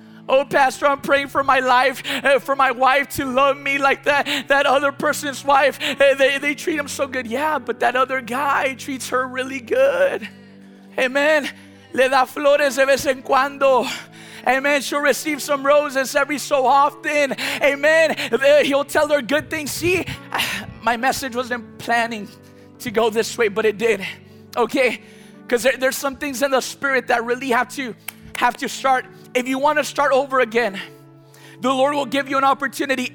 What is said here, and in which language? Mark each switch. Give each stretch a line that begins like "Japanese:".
English: Oh, pastor, I'm praying for my life, for my wife to love me like that other person's wife. They treat him so good. Yeah, but that other guy treats her really good. Amen.
Spanish: Le da flores de vez en cuando.
English: Amen. She'll receive some roses every so often. Amen. He'll tell her good things. See, my message wasn't planning to go this way, but it did. Okay? Because there's some things in the spirit that really have to start. If you want to start over again, the Lord will give you an opportunity.